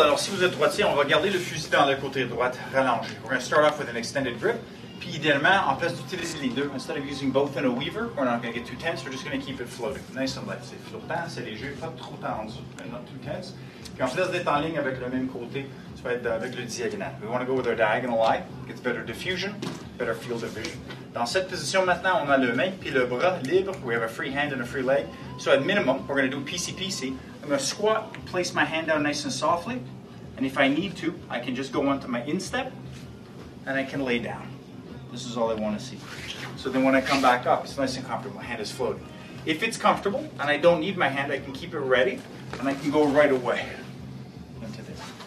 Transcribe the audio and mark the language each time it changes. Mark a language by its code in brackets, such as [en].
[fr] Alors, si vous êtes droitier, on va garder le fusil dans le côté droit rallongé. [en] We're going to start off with an extended grip. [fr] Puis, idéalement, en place d'utiliser les deux, [en] instead of using both in a weaver, we're not going to get too tense, we're just going to keep it floating. Nice and light. [fr] C'est flottant, c'est léger, pas trop tendu, [en] but not too tense. [fr] Puis, en place d'être en ligne avec le même côté, ça va être avec le diagonal. [en] We want to go with our diagonal eye. Gets better diffusion, better field of vision. [fr] Dans cette position, maintenant, on a le main, puis le bras libre. [en] We have a free hand and a free leg. So, at minimum, we're going to do PCPC. I'm going to squat, place my hand down nice and softly. And if I need to, I can just go onto my instep, and I can lay down. This is all I want to see. So then when I come back up, it's nice and comfortable. My hand is floating. If it's comfortable and I don't need my hand, I can keep it ready and I can go right away into this.